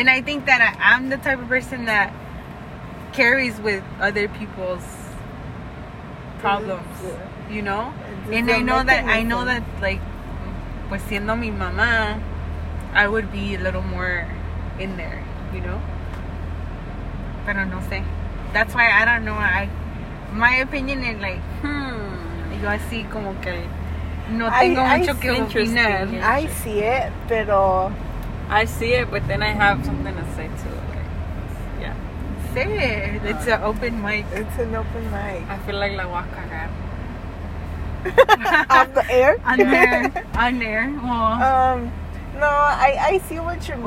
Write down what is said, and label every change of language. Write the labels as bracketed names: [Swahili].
[English] And I think that I'm the type of person that carries with other people's problems. Yeah. You know? And I know that, like, [Spanish] pues siendo mi mamá, [English] I would be a little more in there, you know? [Spanish] Pero no sé. [English] That's why I don't know. My opinion is like, [Spanish] yo así como que no tengo mucho que opinar. [English] I see it, [Spanish] pero... [English] I see it, but then I have something to say to it. Like, yeah. Say it. It's an open mic. It's an open mic. I feel like [Spanish] la voy a cagar. [English] On the air? On air. Well, no, I see what you mean.